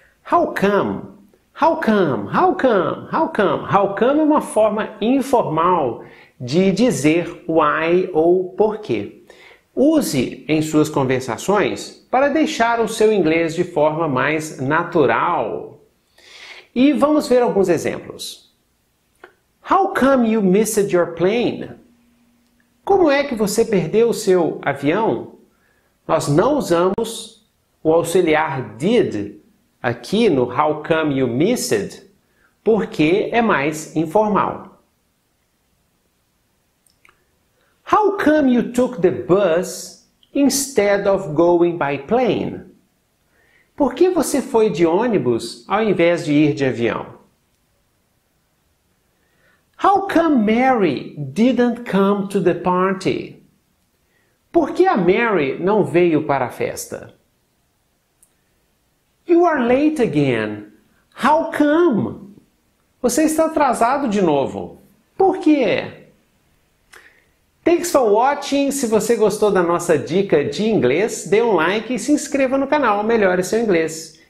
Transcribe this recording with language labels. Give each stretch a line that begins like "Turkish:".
English: How come? How come? How come? How come?
Portuguese: How come é uma forma informal de dizer why ou porquê. Use em suas conversações para deixar o seu inglês de forma mais natural. E vamos ver alguns exemplos.
English: How come you missed your plane?
Portuguese: Como é que você perdeu o seu avião? Nós não usamos o auxiliar did aqui no
English: how come you missed,
Portuguese: porque é mais informal.
English: How come you took the bus instead of going by plane?
Portuguese: Por que você foi de ônibus ao invés de ir de avião?
English: How come Mary didn't come to the party?
Portuguese: Por que a Mary não veio para a festa?
English: You are late again. How come?
Portuguese: Você está atrasado de novo. Por quê?
English: Thanks for watching.
Portuguese: Se você gostou da nossa dica de inglês, dê um like e se inscreva no canal Melhore Seu Inglês.